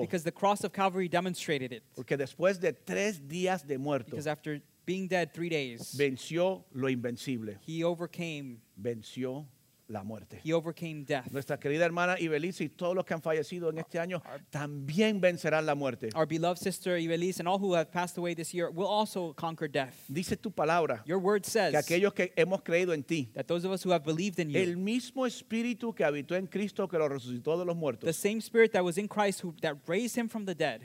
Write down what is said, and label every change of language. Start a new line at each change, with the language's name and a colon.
English: Because the cross of Calvary demonstrated it.
Spanish: Porque después de tres días de muerto.
English: Because after being dead 3 days.
Spanish: Venció lo invencible.
English: He overcame.
Spanish: Venció la muerte.
English: He overcame death.
Spanish: Nuestra querida hermana Ibelice y todos los que han fallecido en este año también vencerán la muerte.
English: Our beloved sister Ibelice and all who have passed away this year will also conquer death.
Spanish: Dice tu palabra.
English: Your word says
Spanish: que aquellos que hemos creído en ti,
English: that those of us who have believed in you,
Spanish: el mismo espíritu que habitó en Cristo que lo resucitó de los muertos,
English: the same spirit that was in Christ that raised him from the dead,